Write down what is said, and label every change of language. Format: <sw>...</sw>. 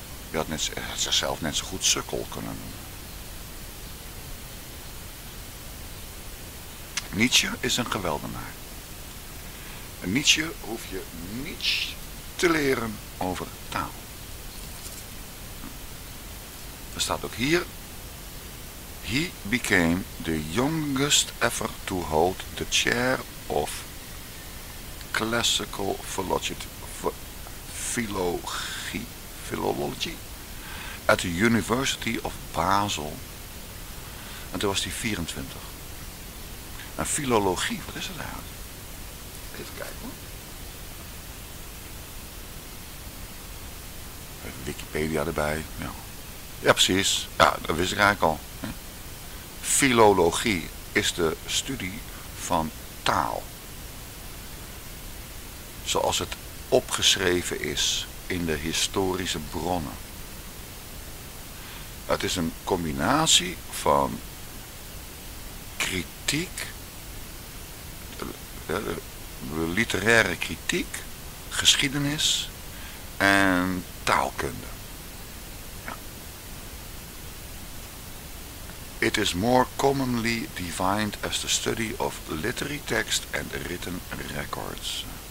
<nl>Je had zichzelf net zo goed sukkel kunnen noemen. Nietzsche is een geweldenaar. En Nietzsche hoef je niets te leren over taal. Er staat ook hier.</nl> <en>He became the youngest ever to hold the chair of classical philology at the University of Basel.</en> <nl>En toen was hij 24. En filologie, wat is dat eigenlijk? Even kijken hoor. Even Wikipedia erbij. Ja. Ja, precies. Ja, dat wist ik eigenlijk al. Filologie is de studie van taal. Zoals het opgeschreven is in de historische bronnen. Het is een combinatie van kritiek, literaire kritiek, geschiedenis en taalkunde.</nl> <en>It is more commonly defined as the study of literary text and written records.</en>